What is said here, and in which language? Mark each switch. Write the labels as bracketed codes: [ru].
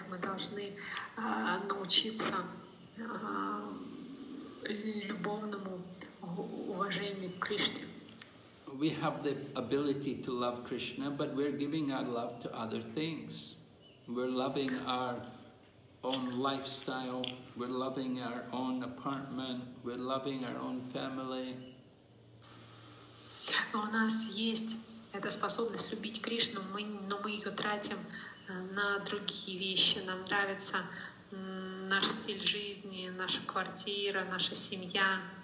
[ru] Мы должны научиться любовному уважению к Кришне. [en] We have the ability to love Krishna, but we're giving our love to other things. We're loving our own lifestyle, we're loving our own apartment, we're loving our own family. [ru] У нас есть эта способность любить Кришну, но мы ее тратим на другие вещи. Нам нравится наш стиль жизни, наша квартира, наша семья.